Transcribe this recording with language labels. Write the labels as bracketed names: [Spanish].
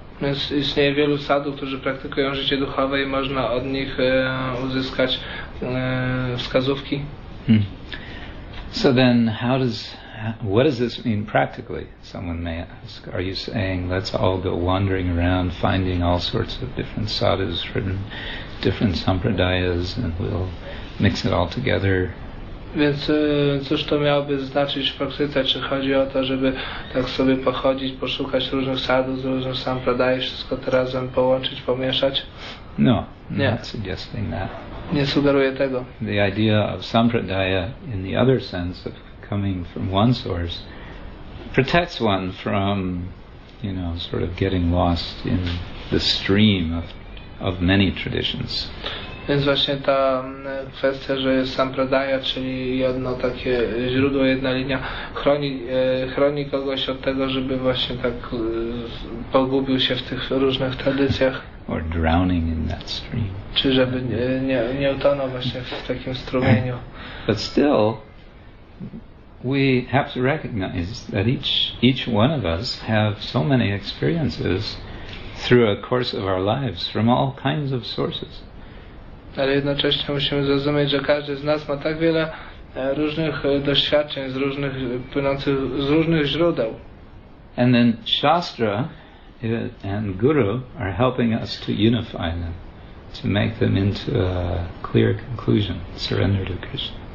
[Polish] Więc istnieje wielu sadów, którzy praktykują życie duchowe i można od nich uzyskać wskazówki. Hmm. [English] So then what does this mean practically? Someone may ask. Are you saying let's all go wandering around finding all sorts of different sadhus from different sampradayas and we'll mix it all together. [Polish] Więc cóż to miałoby znaczyć w praktyce? Czy chodzi o to, żeby tak sobie pochodzić, poszukać różnych sadów, różnych sampradaj, wszystko to razem połączyć, pomieszać? No, nie. [English] Not suggesting that. [Polish] Nie sugeruję tego. [English] The idea of sampradaya in the other sense of coming from one source protects one from, you know, sort of getting lost in the stream of many traditions. [Polish] Więc właśnie ta kwestia, że jest sampradaya, czyli jedno takie źródło, jedna linia, chroni kogoś od tego, żeby właśnie tak pogubił się w tych różnych tradycjach. [English] Or drowning in that stream. [Polish] Czy żeby nie utonął właśnie w takim strumieniu. [English] But still, we have to recognize that each one of us have so many experiences through a course of our lives from all kinds of sources. [Polish] Ale jednocześnie musimy zrozumieć, że każdy z nas ma tak wiele różnych doświadczeń, płynących z różnych źródeł. [English] And then Shastra and Guru are helping us to unify them, to make them into a clear conclusion, surrender to Krishna.